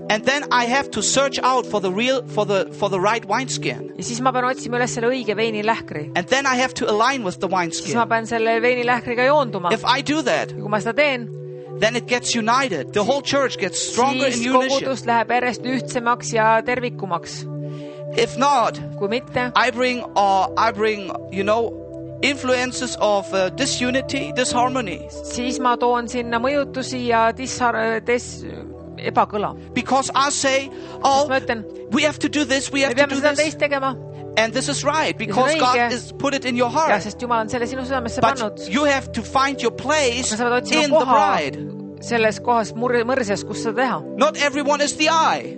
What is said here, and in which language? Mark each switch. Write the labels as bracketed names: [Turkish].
[English] And then I have to search out for the right wineskin. [Estonian] Ja siis ma pean otsima üles selle õige veini lähkri. [English] And then I have to align with the wineskin. [Estonian] Siis ma pean selle veini lähkriga joonduma. [English] If I do that, [Estonian] kui ma seda teen, [English] then it gets united. The whole church gets stronger in unity. [Estonian] Siis kogudus läheb järjest ühtsemaks ja tervikumaks. [English] If not, [Estonian] kui mitte, [English] I bring, you know, influences of disunity, disharmony. [Estonian] Siis ma toon sinna mõjutusi ja ebakõla. [English] Because I say, we have to do this, we have to do this. [Estonian] Tegema. [English] And this is right, because God has put it in your heart. [Estonian] Ja, sest Jumal on selle sinu südamesse pannud. [English] But you have to find your place [Estonian] sa [English] in the bride. [Estonian] Selles kohas mõrses, kus sa teha. [English] Not everyone is the eye.